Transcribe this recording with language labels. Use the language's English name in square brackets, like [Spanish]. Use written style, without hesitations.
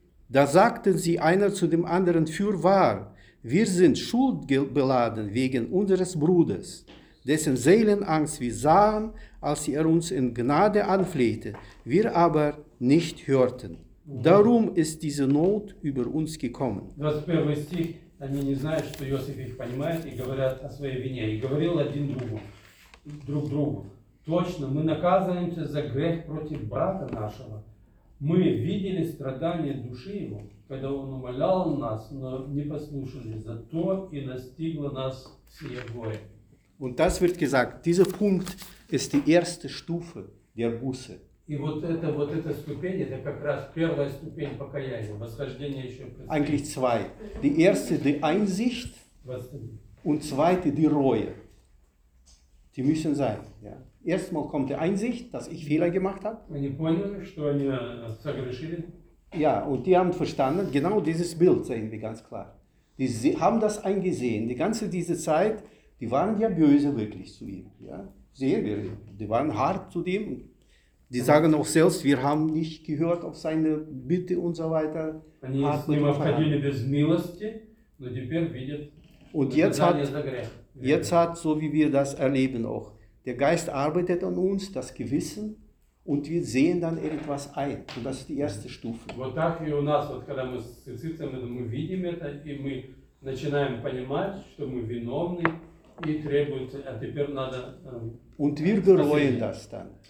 [German] Da sagten sie einer zu dem anderen, fürwahr, wir sind schuldbeladen wegen unseres Bruders, dessen Seelenangst wir sahen, als er uns in Gnade anflehte, wir aber nicht hörten. Darum ist diese Not über uns gekommen. [Russian] Они не знают, что Иосиф их понимает, и говорят о своей вине. И говорил один другу, точно, мы наказываемся за грех против брата нашего. Мы видели страдания души его, когда он умолял нас, но не послушали, зато и настигло нас сие горе. [German] Und das wird gesagt, dieser Punkt ist die erste Stufe der Buße. [Russian] И вот эта ступень, это как раз первая ступень покаяния, восхождение еще [German] предстоит. Eigentlich zwei. Die erste, die Einsicht. Und zweite, die Reue. Die müssen sein. Ja. Erstmal kommt die Einsicht, dass ich Fehler gemacht habe. [Russian] Они поняли, что они согрешили. [German] Ja, und die haben verstanden, genau dieses Bild sehen wir ganz klar. Die haben das eingesehen, die ganze diese Zeit, die waren ja böse wirklich zu ihm. Ja. Sehen wir, die waren hart zu dem. Die sagen auch selbst, wir haben nicht gehört auf seine Bitte und so weiter. [Russian] Они с ним обходили без милости, но теперь видят. [German] Und jetzt hat jetzt hat, so wie wir das erleben auch. Der Geist arbeitet an uns, das Gewissen, und wir sehen dann etwas ein. Und das ist die erste Stufe. [Russian] Вот так и у нас, вот когда мы с сердцем, мы видим это, и мы начинаем понимать, что мы виновны, и требуется, а теперь надо... [German] Und wir bereuen das dann.